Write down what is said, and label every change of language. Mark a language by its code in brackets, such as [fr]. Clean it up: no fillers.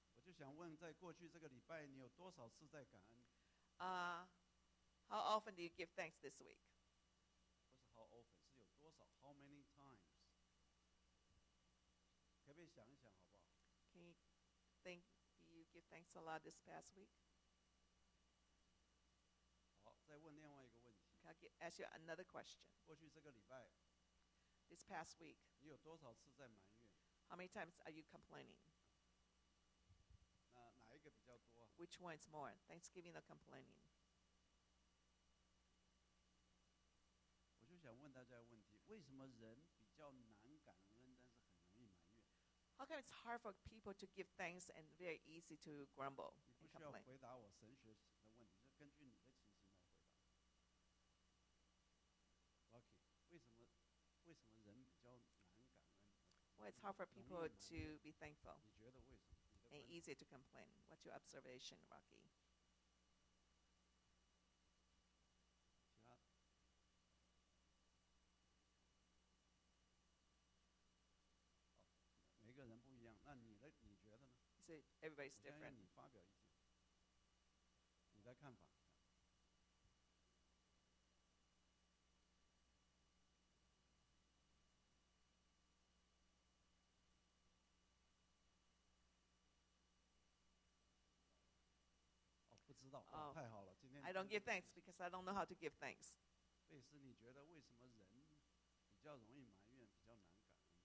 [zh] 我就想问在过去这个礼拜你有多少次在感恩? [en] How often do you give thanks this week? [zh] 不是 [en] how often, [zh] 是有多少, [en] how many times? [zh] 可不可以想一想好不好? [en] Can you think you give thanks a lot this past week? [zh] 好,再问另外一个问题。 [en] Can I ask you another question? [zh] 过去这个礼拜, [en] this past week, [zh] 你有多少次在埋怨? [en] How many times are you complaining? [zh] 哪一个比较多? [en] Which one is more, Thanksgiving or complaining? [zh] 我就想问大家的问题, 为什么人比较难感恩, 但是很容易埋怨? [en] How come it's hard for people to give thanks and very easy to grumble? [zh] 你不需要回答我神学的问题, 是根据你的情形来回答。 Okay, 为什么人比较难感恩? [en] Well, it's hard for people to be thankful. [zh] 你觉得为什么? [en] And easier to complain. What's your observation, Rocky? [zh] 每个人不一样,那你觉得呢? [en] You say everybody's different. [zh] 你的看法。不知道,太好了,今天 [en] I don't give thanks because I don't know how to give thanks. [zh] 贝斯,你觉得为什么人比较容易埋怨,比较难感恩?